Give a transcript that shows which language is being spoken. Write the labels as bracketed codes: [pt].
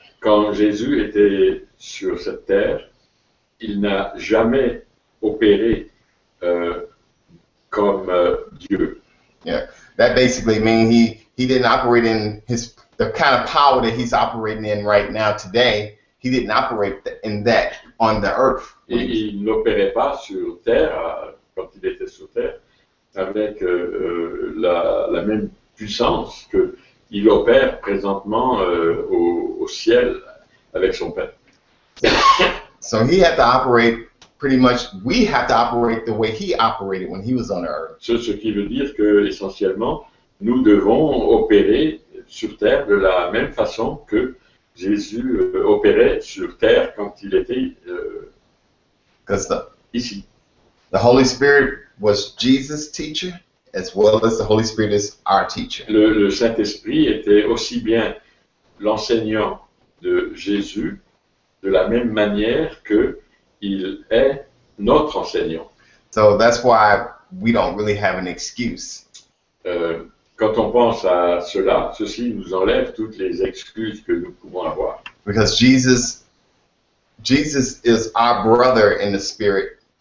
[fr] Quand Jésus était sur cette terre, il n'a jamais opéré comme Dieu. [en] Yeah, that basically means he didn't operate in his the kind of power that he's operating in right now today. He didn't operate in that on the earth. [fr] Et il n'opérait pas sur terre quand il était sur terre avec la même puissance que il opère présentement au ciel avec son Père. [en] So he had to operate. Pretty much, we have to operate the way he operated when he was on earth. [fr] Ce qui veut dire que essentiellement, nous devons opérer sur terre de la même façon que Jésus opérait sur terre quand il était ici. [en] The Holy Spirit was Jesus' teacher, as well as the Holy Spirit is our teacher. [fr] Le Saint-Esprit était aussi bien l'enseignant de Jésus de la même manière que il est notre enseignant. [en] So that's why we don't really have an excuse. [fr] Quand on pense à cela, ceci nous enlève toutes les excuses que nous pouvons avoir. [en] Because Jesus is our brother in the spirit.